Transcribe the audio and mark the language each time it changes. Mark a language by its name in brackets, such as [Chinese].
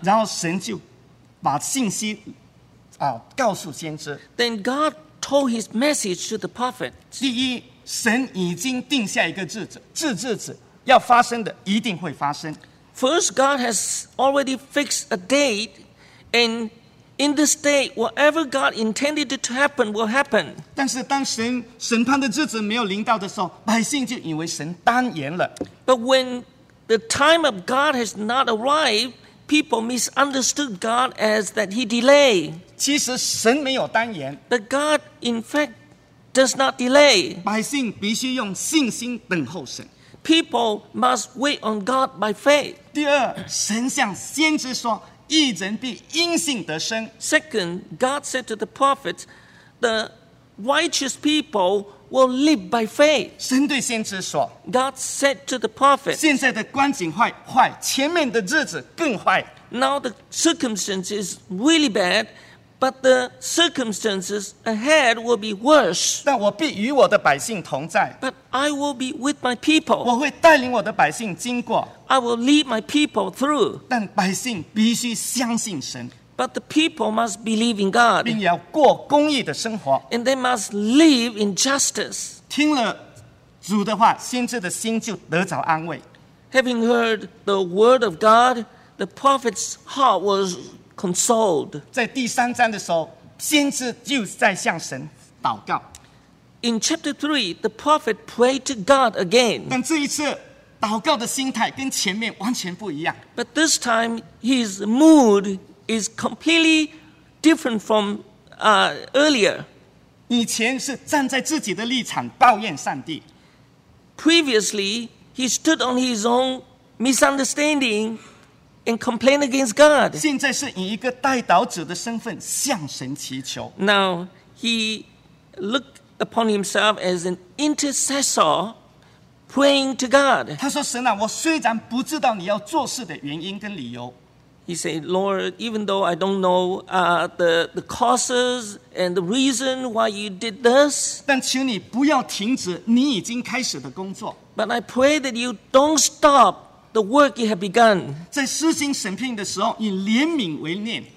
[Chinese] 然后神就把信息告诉先知。 [English] Then God told his message to the prophet. [Chinese] 第一，神已经定下一个日子，要发生的一定会发生。 [English] First, God has already fixed a date, and in this date, whatever God intended it to happen will happen. [Chinese] 但是当神审判的日子没有临到的时候，百姓就以为神单言了。 [English] But when the time of God has not arrived, people misunderstood God as that He delayed. [Chinese] 其实神没有单言。 [English] But God, in fact, does not delay. [Chinese] 百姓必须用信心等候神。 [English] People must wait on God by faith. [Chinese] 第二，神向先知说，义人必因信得生。 [English] Second, God said to the prophets, the righteous people will live by faith. [Chinese] 神对先知说。 [English] God said to the prophets, [Chinese] 现在的光景坏，前面的日子更坏。 [English] Now the circumstance is really bad. But the circumstances ahead will be worse. [Chinese] 但我必与我的百姓同在。 [English] But I will be with my people. [Chinese] 我会带领我的百姓经过。 [English] I will lead my people through. [Chinese] 但百姓必须相信神。 [English] But the people must believe in God. [Chinese] 并要过公义的生活。 [English] And they must live in justice. [Chinese] 听了主的话，先知的心就得着安慰。 [English] Having heard the word of God, the prophet's heart was consoled. [Chinese] 在第三章的时候，先知就在向神祷告。 [English] In chapter 3, the prophet prayed to God again. [Chinese] 但这一次祷告的心态跟前面完全不一样。 [English] But this time, his mood is completely different from earlier. [Chinese] 以前是站在自己的立场抱怨上帝。 [English] Previously, he stood on his own misunderstanding and complained against God. [Chinese] 现在是以一个代祷者的身份向神祈求。 [English] Now, he looked upon himself as an intercessor praying to God. [Chinese] 他说，神啊，我虽然不知道你要做事的原因跟理由。 [English] He said, Lord, even though I don't know the causes and the reason why you did this, [Chinese] 但求你不要停止你已经开始的工作。 [English] But I pray that you don't stop the work you have begun. [Chinese] 在施行审判的时候，以怜悯为念。